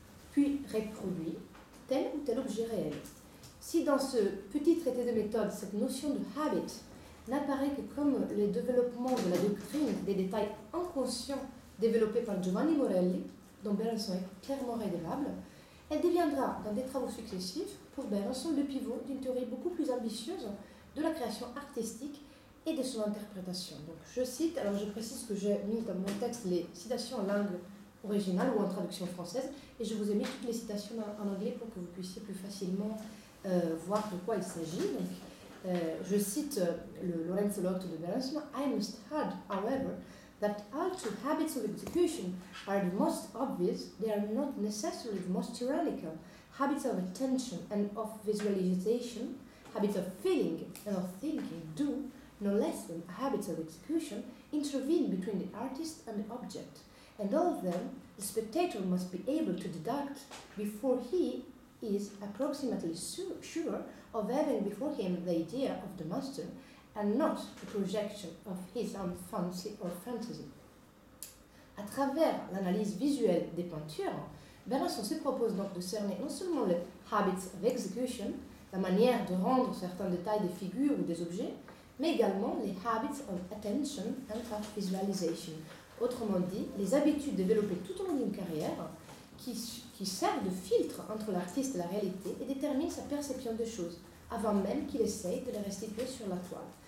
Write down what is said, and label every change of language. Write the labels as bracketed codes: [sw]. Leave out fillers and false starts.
[fr] puis reproduit tel ou tel objet réel. Si dans ce petit traité de méthode, cette notion de habit n'apparaît que comme le développement de la doctrine des détails inconscients développés par Giovanni Morelli, dont Berenson est clairement rédigable, elle deviendra, dans des travaux successifs, pour Berenson, le pivot d'une théorie beaucoup plus ambitieuse de la création artistique et de son interprétation. Donc, je cite, alors je précise que j'ai mis dans mon texte les citations en langue originale ou en traduction française, et je vous ai mis toutes les citations en anglais pour que vous puissiez plus facilement voir de quoi il s'agit. Donc, je cite le Lorenzo Lotto de Berenson, [en] « I must add, however, that although habits of execution are the most obvious, they are not necessarily the most tyrannical. Habits of attention and of visualization, habits of feeling and of thinking do, no less than habits of execution, intervene between the artist and the object. And all of them, the spectator must be able to deduct before he is approximately sure of having before him the idea of the master and not the projection of his own fancy or fantasy. [fr] À travers l'analyse visuelle des peintures, Berenson se propose donc de cerner non seulement le [en] habits of execution, [fr] la manière de rendre certains détails des figures ou des objets, mais également les [en] habits of attention and of visualization. [fr] Autrement dit, les habitudes développées tout au long d'une carrière qui servent de filtre entre l'artiste et la réalité et déterminent sa perception des choses, avant même qu'il essaye de les restituer sur la toile.